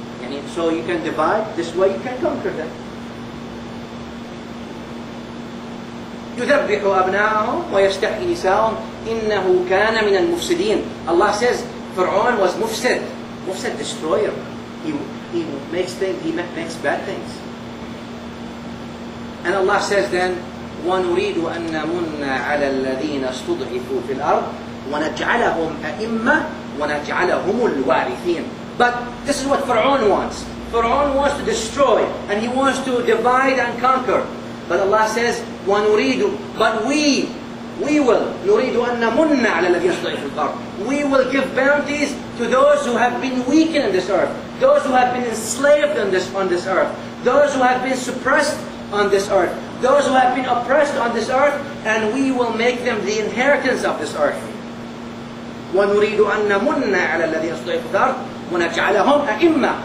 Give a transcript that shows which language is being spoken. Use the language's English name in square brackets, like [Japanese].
[English] And so you can divide, this way you can conquer them. [Arabic] يذبح أبناءهم ويستحيي نساءهم إنه كان من المفسدين. [English] Allah says, Fir'aun was mufsid. Mufsid destroyer. He, he makes bad things. And Allah says then, [Arabic] وَنُرِيدُ أَن نَمُنَّ عَلَى الَّذِينَ اسْتُضْعِفُوا فِي الْأَرْضِ وَنَجْعَلَهُمْ أَئِمَّةً وَنَجْعَلَهُمُ الْوَارِثِينَ. [English] But this is what Fir'aun wants. Fir'aun wants to destroy, and he wants to divide and conquer. But Allah says, [Arabic] وَنُرِيدُ, [English] but we will, [Arabic] نُرِيدُ أَن نَمُنَّ عَلَى الَّذِينَ اسْتُضْعِفُوا فِي الْأَرْضِ. [English] We will give bounties to those who have been weakened in this earth, those who have been enslaved on this earth, those who have been suppressed on this earth, those who have been oppressed on this earth, and we will make them the inheritance of this earth. [Arabic] وَنُرِيدُ أَن نَمُنَّ عَلَى الَّذِينَ اسْتُضْعِفُوا فِي الْأَرْضِ وَنَجْعَلَهُمْ أَئِمَّةً.